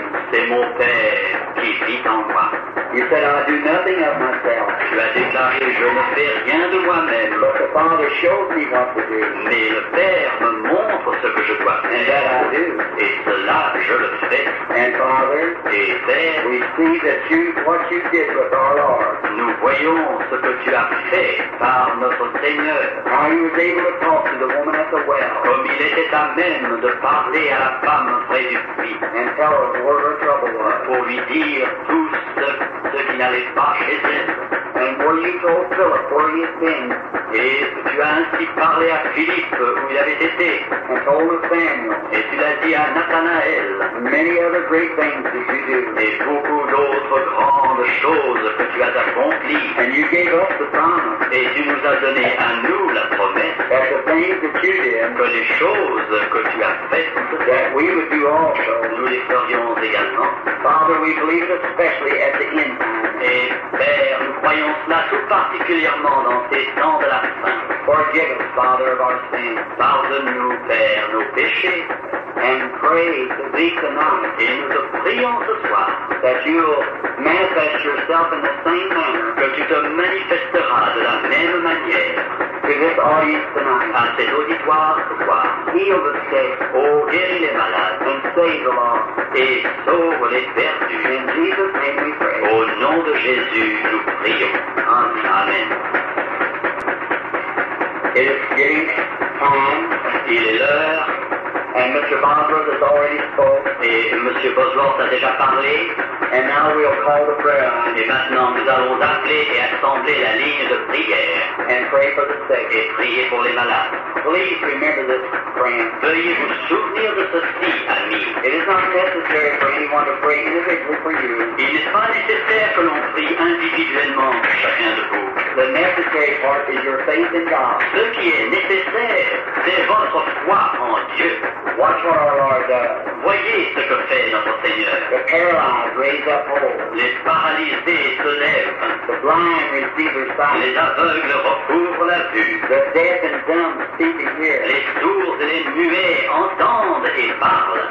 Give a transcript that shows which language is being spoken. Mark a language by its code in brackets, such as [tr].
[fr] C'est mon Père qui vit en moi. [en] You said, I do nothing of myself. [fr] Tu as déclaré, je ne fais rien de moi-même. [en] But the Father showed me what to do. [fr] Mais le Père me montre ce que je dois faire. [en] And that I do. [fr] Et cela, je le fais. [en] And Father, [fr] et Père, [en] we see that you, what you did with our Lord. [fr] Nous voyons ce que tu as fait par notre Seigneur. [en] How he was able to talk to the woman at the well. [fr] Comme il était à même de parler à la femme près du puits. [en] And tell her what her trouble was. [fr] Pour lui dire tout ce qui n'allait pas chez elle. [en] And what you told Philip, where he had been. [fr] Et tu as ainsi parlé à Philippe où il avait été. [en] And told Nathanael. [fr] Et tu l'as dit à Nathanael. [en] Many other great things that you do. [fr] Et beaucoup d'autres grandes choses que tu as accomplies. [en] And you gave up the promise. [fr] Et tu nous as donné à nous la promesse. [en] That the things that you did, [fr] que les choses que tu as faites, [en] that we would do also, [fr] nous les ferions également. [en] Father, we believe it especially at the end time. [fr] Et Père, nous croyons cela tout particulièrement dans ces temps de la fin. [en] Forgive us, Father, of our sins. [fr] Pardonne-nous, Père, nos péchés. [en] And pray to thee tonight. [fr] Et nous te prions ce soir. [en] That you will manifest yourself in the same manner. [fr] Que tu te manifesteras de la même manière. [en] To this audience tonight. [fr] À cet auditoire ce soir. [en] Heal the sick. [fr] Oh, guéris les malades. [en] And save the lost. [fr] Et sauve les perdus. [en] In Jesus' name we pray. [fr] Au nom de Jésus, nous prions. Amen. Amen. [en] It is getting time. [fr] Il est l'heure. [en] And Mr. Bosworth has already spoke. [fr] Et Monsieur Bosworth a déjà parlé. [en] And now we'll call the prayer. [fr] Et maintenant nous allons appeler et assembler la ligne de prière. [en] And pray for the sick. [fr] Et prier pour les malades. [en] Please remember this, friend. [fr] Veuillez vous souvenir de ceci, ami. [en] It is not necessary for anyone to pray individually for you. [fr] Il n'est pas nécessaire que l'on prie individuellement pour chacun de vous. [en] The necessary part is your faith in God. [fr] Ce qui est nécessaire, c'est votre foi en Dieu. [en] Watch what our Lord does. [fr] Voyez ce que fait notre Seigneur. [en] The paralyzed raise up whole. [fr] Les paralysés se lèvent. [en] The blind receive their sight. [fr] Les aveugles recouvrent la vue. [en] The deaf and dumb speak and hear. [fr] Les sourds et les muets entendent et parlent.